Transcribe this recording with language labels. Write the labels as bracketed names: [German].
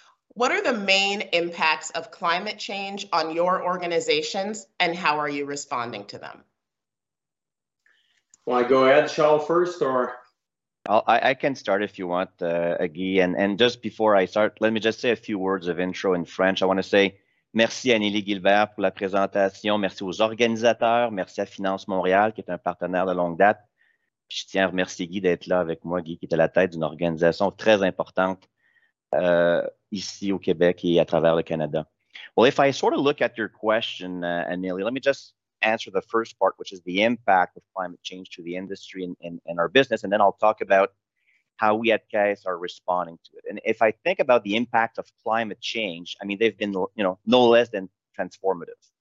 [English] What are the main impacts of climate change on your organizations, and how are you responding to them? Want to go ahead, Shaul, first, or? I can start if you want, Guy. And just before I start, let me just say a few words of intro in French. I want to say [French] merci à Nelly Gilbert pour la présentation. Merci aux organisateurs. Merci à Finance Montréal, qui est un partenaire de longue date. Puis je tiens à remercier Guy d'être là avec moi, Guy, qui est à la tête d'une organisation très importante ici au Québec et à travers le Canada. [English] Well, if I sort of look at your question, Nelly, let me just answer the first part, which is the impact of climate change to the industry and our business, and then I'll talk about how we at CAES are responding to it. And if I think about the impact of climate change, I mean, they've been, you know, no less than transformative.